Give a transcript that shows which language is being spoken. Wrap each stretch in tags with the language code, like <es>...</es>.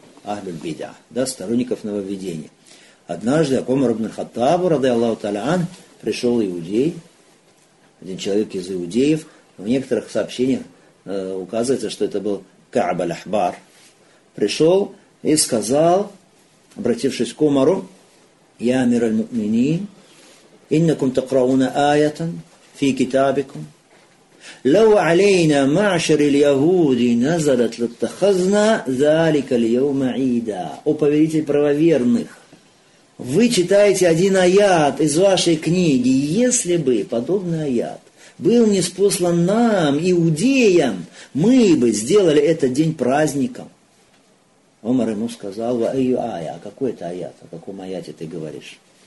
<ru>Ахлюль бидъа, да, сторонников нововведения. Однажды Умар ибн Хаттаб, радиаллаху тааля ан, пришел иудей, один человек из иудеев. В некоторых сообщениях указывается, что это был Каъб аль-Ахбар. Пришел и сказал, обратившись к Умару,</ru> <ar>«Я амир аль-муминин, иннакум такрауна аятан». في كتابكم لو علينا معشر اليهود نزلت لاتخذنا ذلك اليوم عيدا.</ar> <ru>О повелитель правоверных, вы читаете один аят из вашей книги, если бы подобный аят был ниспослан нам, иудеям, мы бы сделали этот день праздником. Умар ему сказал, а какой это аят, о каком аяте ты говоришь?</ru>